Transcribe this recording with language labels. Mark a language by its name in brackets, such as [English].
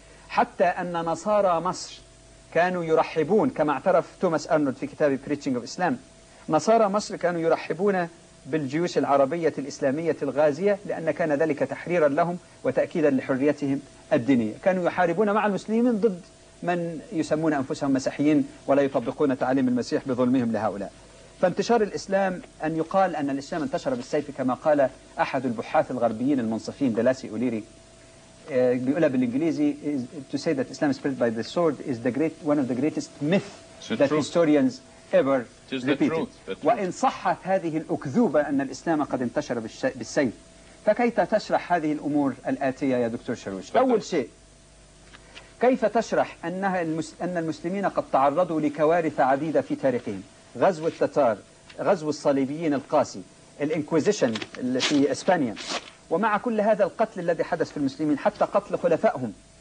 [Arabic] حتى أن نصارى مصر كانوا يرحبون كما اعترف توماس أرنولد في كتاب Preaching of Islam، نصارى مصر كانوا يرحبون بالجيوش العربية الإسلامية الغازية لأن كان ذلك تحريرا لهم وتأكيدا لحريتهم الدينية، كانوا يحاربون مع المسلمين ضد من يسمون أنفسهم مسيحيين ولا يطبقون تعاليم المسيح بظلمهم لهؤلاء. فانتشار الإسلام، أن يقال أن الإسلام انتشر بالسيف كما قال أحد البحاث الغربيين المنصفين دلاسي أوليري بيقوله بالإنجليزي [English] to say that Islam spread by the sword is the great one of the greatest myth that historians ever repeated. [Arabic] وإن صحت هذه الأكذوبة أن الإسلام قد انتشر بالسيف، فكيف تشرح هذه الأمور الآتية يا دكتور شروش؟ أول شيء، كيف تشرح أن المسلمين قد تعرضوا لكوارث عديدة في تاريخهم؟ غزو التتار، غزو الصليبيين القاسي، الإنكوزيشن في إسبانيا، ومع كل هذا القتل الذي حدث في المسلمين حتى قتل خلفائهم،